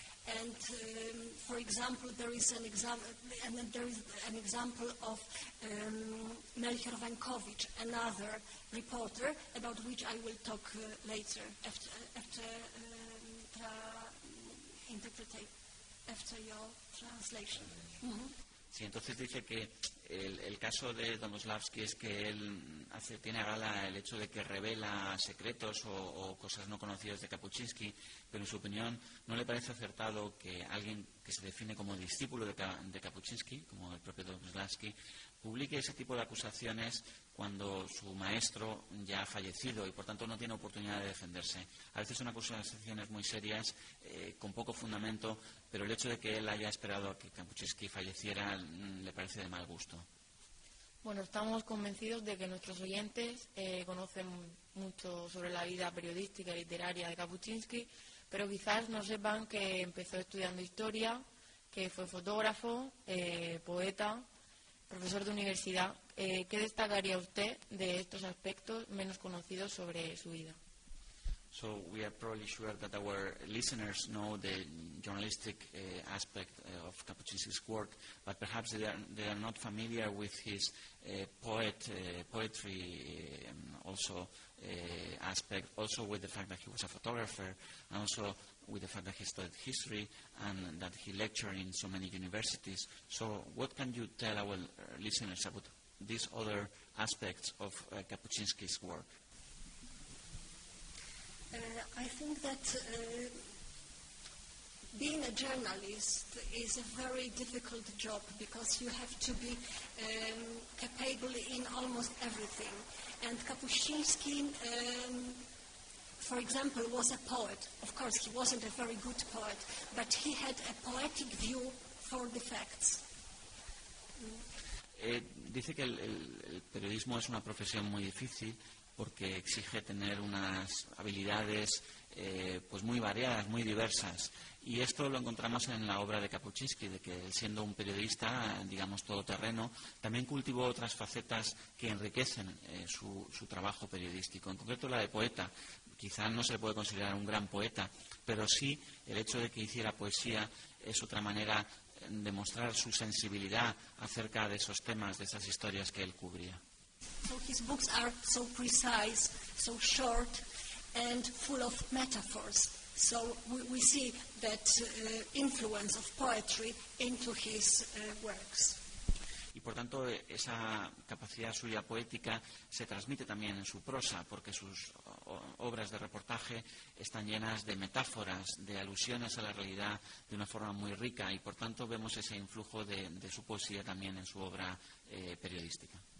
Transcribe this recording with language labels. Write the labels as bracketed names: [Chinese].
[English] And for example, there is an example of Melchior Wańkowicz, another reporter, about which I will talk later, after your translation. Mm-hmm. [Spanish] Sí, entonces dice que el caso de Domoslavski es que él tiene a gala el hecho de que revela secretos o cosas no conocidas de Kapuscinski, pero en su opinión no le parece acertado que alguien que se define como discípulo de Kapuscinski, como el propio Domoslavski, publique ese tipo de acusaciones cuando su maestro ya ha fallecido y, por tanto, no tiene oportunidad de defenderse. A veces son acusaciones muy serias, con poco fundamento, pero el hecho de que él haya esperado a que Kapuscinski falleciera le parece de mal gusto. Bueno, estamos convencidos de que nuestros oyentes conocen mucho sobre la vida periodística y literaria de Kapuscinski, pero quizás no sepan que empezó estudiando historia, que fue fotógrafo, poeta, profesor de universidad. ¿Qué destacaría usted de estos aspectos menos conocidos sobre su vida? [English] So we are probably sure that our listeners know the journalistic aspect of Kapuscinski's work, but perhaps they are not familiar with his poetry also aspect, also with the fact that he was a photographer, and also with the fact that he studied history and that he lectured in so many universities. So what can you tell our listeners about these other aspects of Kapuscinski's work? I think that being a journalist is a very difficult job because you have to be capable in almost everything. And Kapuscinski, for example, was a poet. Of course, he wasn't a very good poet, but he had a poetic view for the facts. [Spanish] Dice que el periodismo es una profesión muy difícil porque exige tener unas habilidades pues muy variadas, muy diversas. Y esto lo encontramos en la obra de Kapuscinski, de que siendo un periodista, digamos, todoterreno, también cultivó otras facetas que enriquecen su trabajo periodístico. En concreto la de poeta. Quizás no se le puede considerar un gran poeta, pero sí el hecho de que hiciera poesía es otra manera de mostrar su sensibilidad acerca de esos temas, de esas historias que él cubría. [English] So his books are so precise, so short and full of metaphors. So we see that influence of poetry into his works. [Spanish] Y por tanto esa capacidad suya poética se transmite también en su prosa, porque sus obras de reportaje están llenas de metáforas, de alusiones a la realidad de una forma muy rica, y por tanto vemos ese influjo de su poesía también en su obra periodística.